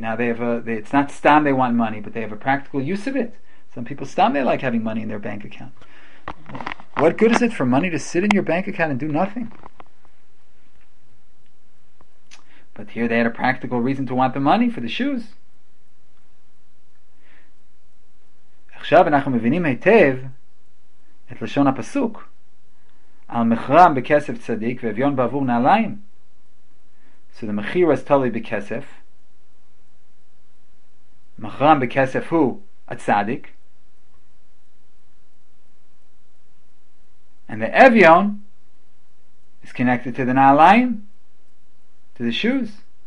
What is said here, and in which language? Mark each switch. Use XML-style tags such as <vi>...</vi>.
<en>Now they have it's not stam they want money, but they have a practical use of it. Some people stam they like having money in their bank account. What good is it for money to sit in your bank account and do nothing? But here they had a practical reason to want the money for the shoes.</en> <he>עכשיו אנחנו מבינים היטב את לשון הפסוק על מחרם בכסף צדיק ואביון בעבור נעליים.</he> <en>So the מחיר was totally בכסף.</en> <he>מחרם בכסף הוא הצדיק.</he> <en>And the אביון is connected to the נעליים, to the shoes.</en>